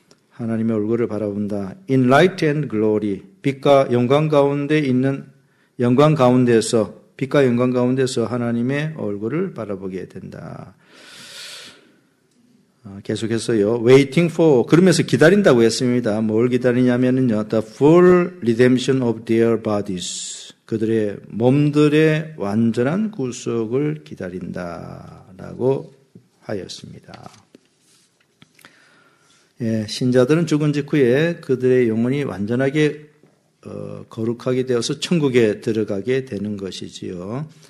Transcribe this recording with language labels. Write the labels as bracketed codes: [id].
[ko] 하나님의 얼굴을 바라본다. [en] In light and glory, [ko] 빛과 영광 가운데 있는 영광 가운데서, 빛과 영광 가운데서 하나님의 얼굴을 바라보게 된다. 계속해서요. [en] Waiting for, [ko] 그러면서 기다린다고 했습니다. 뭘 기다리냐면요. [en] The full redemption of their bodies. [ko] 그들의 몸들의 완전한 구속을 기다린다. 라고 하였습니다. 예, 신자들은 죽은 직후에 그들의 영혼이 완전하게 거룩하게 되어서 천국에 들어가게 되는 것이지요.